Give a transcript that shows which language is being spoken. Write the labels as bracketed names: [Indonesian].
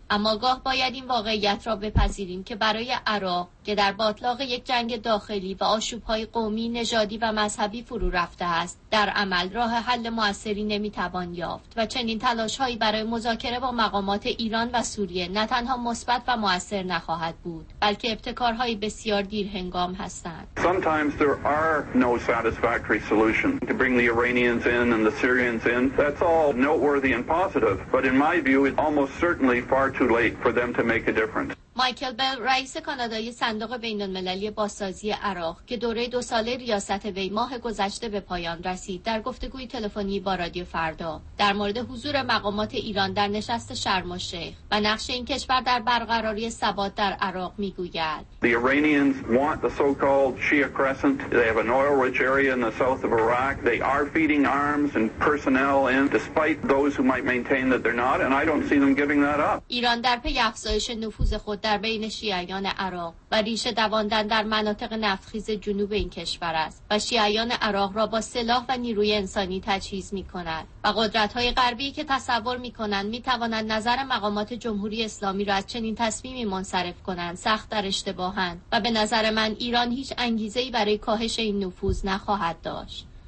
[Persian] اما گاه باید این واقعیت را بپذیریم که برای عراق که در باتلاق یک جنگ داخلی و آشوب‌های قومی، نژادی و مذهبی فرو رفته است، در عمل راه حل مؤثری نمی‌توان یافت و چنین تلاش‌هایی برای مذاکره با مقامات ایران و سوریه نه تنها مثبت و مؤثر نخواهد بود، بلکه ابتکارهای بسیار دیرهنگام هستند. [English] Sometimes there are no satisfactory solutions to bring the Iranians in and the Syrians in. That's all noteworthy and positive, but in my view it's almost certainly far too late for them to make a difference. [Persian] مایکل بل، رئیس کانادای صندوق بین‌المللی بازسازی عراق که دوره دو ساله ریاست وی ماه گذشته به پایان رسید، در گفتگوی تلفنی با رادیو فردا در مورد حضور مقامات ایران در نشست شرم الشیخ و نقش این کشور در برقراری ثبات در عراق میگوید: [English] The Iranians want the so-called Shia Crescent. They have an oil-rich area in the south of Iraq. They are feeding arms and personnel in despite those who might maintain that they're not and I don't see them giving that up. [Persian] ایران در پی افزایش نفوذ در بین شیعیان عراق و ریشه دواندن در مناطق نفتخیز جنوب این کشور است و شیعیان عراق را با سلاح و نیروی انسانی تجهیز می کند و قدرت های غربی که تصور می کنند می توانند نظر مقامات جمهوری اسلامی را از چنین تصمیمی منصرف کنند سخت در اشتباهند و به نظر من ایران هیچ انگیزه‌ای برای کاهش این نفوذ نخواهد داشت.